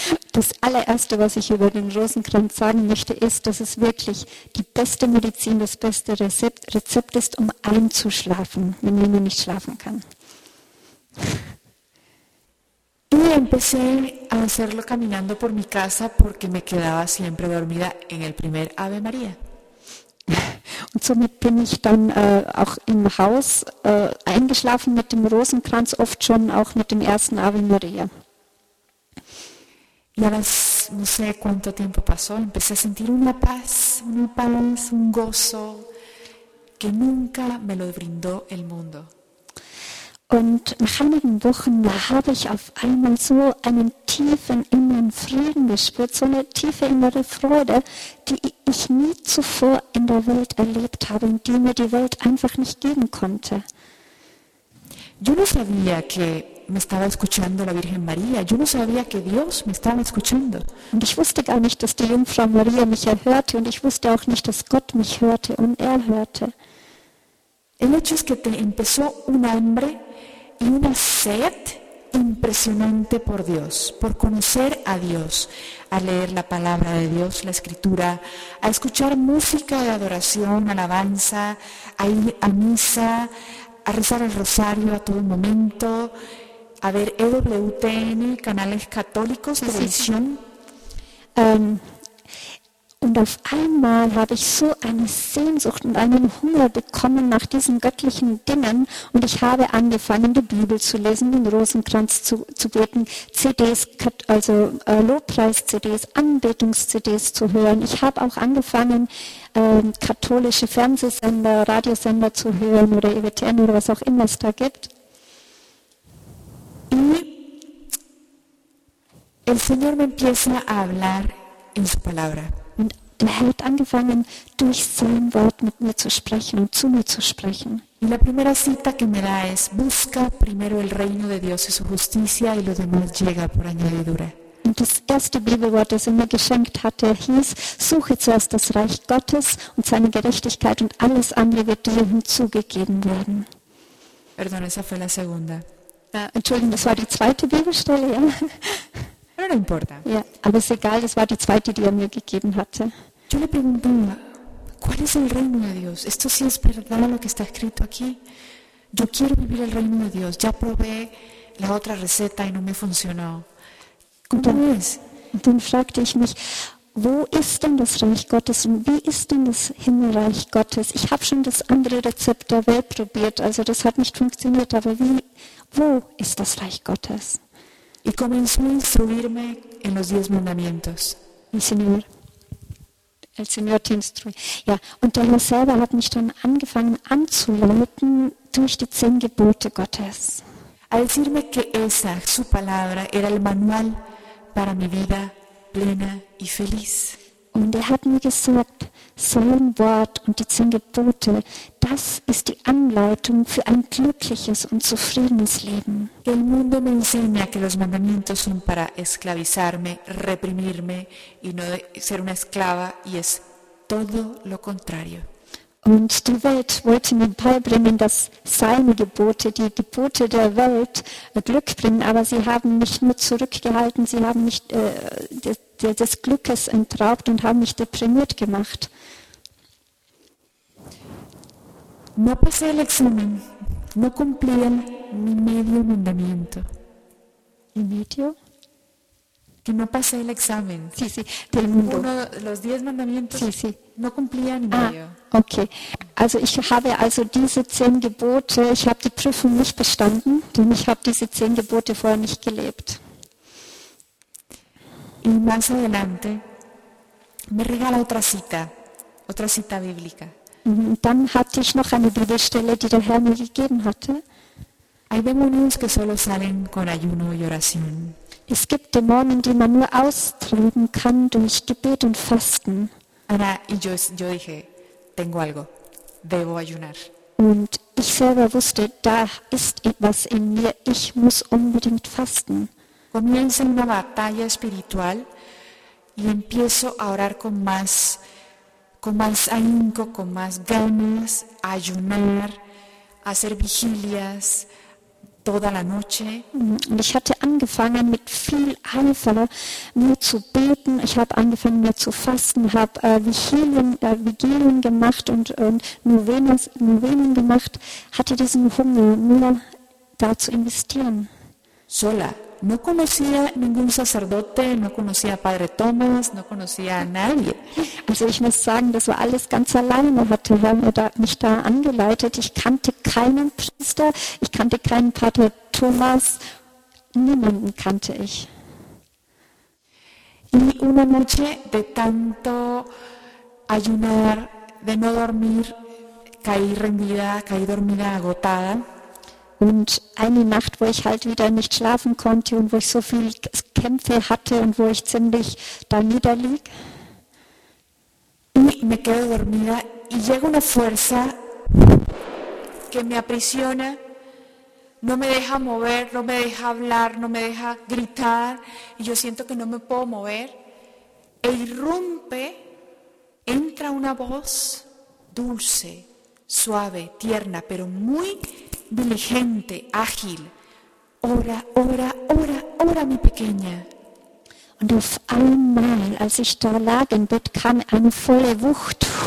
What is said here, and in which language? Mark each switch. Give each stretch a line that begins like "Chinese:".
German: Das allererste, was ich über den Rosenkranz sagen möchte, ist, dass es wirklich die beste Medizin, das beste Rezept ist, um einzuschlafen, wenn man nicht schlafen kann.
Spanish: Y empecé a hacerlo caminando por mi casa porque me quedaba siempre dormida en el primer Ave María.
German: Und somit bin ich dann auch im Haus eingeschlafen mit dem Rosenkranz, oft schon auch mit dem ersten Ave Maria.
Spanish: Y ahora, no sé cuánto tiempo pasó, empecé a sentir una paz, un gozo que nunca me lo brindó el mundo.
German: Und nach einigen Wochen habe ich auf einmal so einen tiefen inneren Frieden gespürt, so eine tiefe innere Freude, die ich nie zuvor in der Welt erlebt habe und die mir die Welt einfach nicht geben konnte.
Spanish: Yo no sabía que me estaba escuchando la Virgen María. Yo no sabía que Dios me estaba escuchando.
German: Und ich wusste gar nicht, dass die Jungfrau Maria mich erhörte und ich wusste auch nicht, dass Gott mich hörte und hörte.
Spanish: El hecho es que te empezó un hambre y una sed impresionante por Dios, por conocer a Dios, a leer la palabra de Dios, la escritura, a escuchar música de adoración, alabanza, a ir a misa, a rezar el rosario a todo momento, a ver EWTN, canales católicos, televisión.
German: Und auf einmal habe ich so eine Sehnsucht und einen Hunger bekommen nach diesen göttlichen Dingen und ich habe angefangen, die Bibel zu lesen, den Rosenkranz zu beten, CDs, also Lobpreis-CDs, Anbetungs-CDs zu hören. Ich habe auch angefangen, katholische Fernsehsender, Radiosender zu hören oder EWTN oder was auch immer es da gibt. Und
Spanish: el Señor me empieza a hablar en su palabra.
German: Der Herr hat angefangen, durch sein Wort mit mir zu sprechen und zu mir zu sprechen.
Spanish: Y la primera cita que me da es, busca primero el reino de Dios y su justicia y lo demás llega por añadidura.
German: Und das erste Bibelwort, das er mir geschenkt hatte, hieß, suche zuerst das Reich Gottes und seine Gerechtigkeit und alles andere wird dir hinzugegeben werden.
Spanish: Perdón, esa fue la segunda.
German: Entschuldigung, das war die zweite Bibelstelle, ja.
Spanish: No importa.
German: Ja, aber es ist egal, das war die zweite, die er mir gegeben hatte.
Spanish: Yo le pregunté, ¿cuál es el reino de Dios? Esto sí es verdad lo que está escrito aquí. Yo quiero vivir el reino de Dios. Ya probé la otra receta y no me funcionó. ¿Cómo es?
German: Und dann fragte ich mich, wo ist denn das Reich Gottes und wie ist denn das Himmelreich Gottes? Ich habe schon das andere Rezept der Welt probiert, also das hat nicht funktioniert, aber wo ist das Reich Gottes?
Spanish: Y comenzó a instruirme en los 10 mandamientos. Señor, El Señor te instruye.
German: Ja, und der Herr selber hat mich dann angefangen anzuleiten durch die 10 Gebote Gottes.
Spanish: Al decirme que esa, su palabra, era el manual para mi vida plena y feliz.
German: Und er hat mir gesagt, sein Wort und die 10 Gebote, das ist die Anleitung für ein glückliches und zufriedenes Leben.
Spanish: El mundo me enseña que los mandamientos son para esclavizarme, reprimirme y no ser una esclava, y es todo lo contrario.
German: Und die Welt wollte mir beibringen, dass seine Gebote, die Gebote der Welt, Glück bringen, aber sie haben mich nur zurückgehalten, sie haben mich des Glückes entraubt und haben mich deprimiert gemacht.
Spanish: No pasé el examen, no cumplían mi medio mandamiento. Mi medio? Que no pasé el examen. Sí, sí, del mundo. Uno, los 10 mandamientos. Sí, sí. No cumplía ni medio. Ah, okay.
German: Also ich habe also diese 10 Gebote, ich habe die Prüfung nicht bestanden, denn ich habe diese 10 Gebote vorher nicht gelebt.
Spanish: Y más adelante me regala otra cita bíblica.
German: Und dann hatte ich noch eine Bibelstelle, die der Herr mir gegeben hatte.
Spanish: Hay demonios que solo salen con ayuno y oración.
German: Es gibt Dämonen, die man nur austreiben kann durch Gebet und Fasten.
Spanish: Ahora, y yo dije, tengo algo, debo ayunar.
German: Und ich selber wusste, da ist etwas in mir, ich muss unbedingt fasten.
Spanish: Comienza una batalla espiritual y empiezo a orar con más ahínco, con más ganas, a ayunar, a hacer vigilias. Toda la noche.
German: Und ich hatte angefangen mit viel Eifer mir zu beten, ich habe angefangen mir zu fasten, habe Vigilien gemacht und Novenen gemacht, hatte diesen Hunger, nur da zu investieren.
Spanish: Sola. No conocía ningún sacerdote, no conocía a Padre Thomas, no conocía a nadie.
German: Also ich muss sagen, das war alles ganz alleine, hat der Herr mich da angeleitet. Ich kannte keinen Priester, ich kannte keinen Pater Thomas, niemanden kannte ich.
Spanish: Y una noche de tanto ayunar, de no dormir, caí rendida, caí dormida, agotada.
German: Und eine Nacht, wo ich halt wieder nicht schlafen konnte und wo ich so viel Kämpfe hatte und wo ich ziemlich da niederlieg.
Spanish: Y me quedo dormida y llega una fuerza que me aprisiona, no me deja mover, no me deja hablar, no me deja gritar, y yo siento que no me puedo mover. E irrumpe, entra una voz dulce, suave, tierna, pero muy diligente, ágil. Ora, ora, ora, ora, mi pequeña.
German: Und auf einmal, als ich da lag im Bett, kam eine volle Wucht.